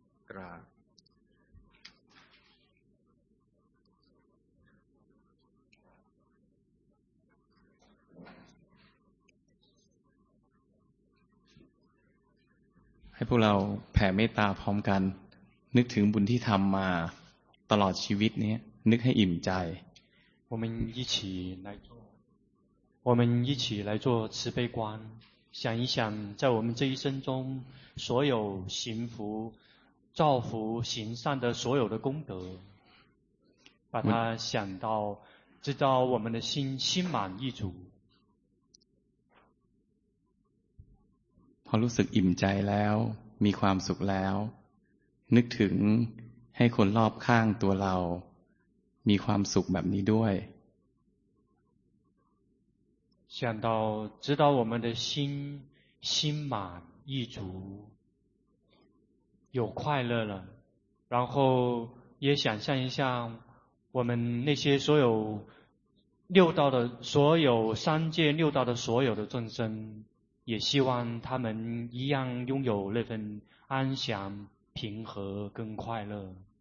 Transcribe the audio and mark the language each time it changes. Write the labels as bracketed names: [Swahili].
[Thai] กราบให้พวกเราแผ่เมตตาพร้อมกันนึกถึงบุญที่ทำมาตลอดชีวิตนี้นึกให้อิ่มใจ [Chinese] 我们一起来做我们一起来做慈悲观想一想在我们这一生中所有行福造福行善的所有的功德把它想到直到我们的心心满意足 [Thai] พอรู้สึกอิ่มใจแล้วมีความสุขแล้วนึกถึงให้คนรอบข้างตัวเรามีความสุขแบบนี้ด้วย [Chinese] 想到知道我们的心心满意足有快乐了然后也想象一下我们那些所有六道的所有三界六道的所有的众生也希望他们一样拥有那份安详、平和跟快乐。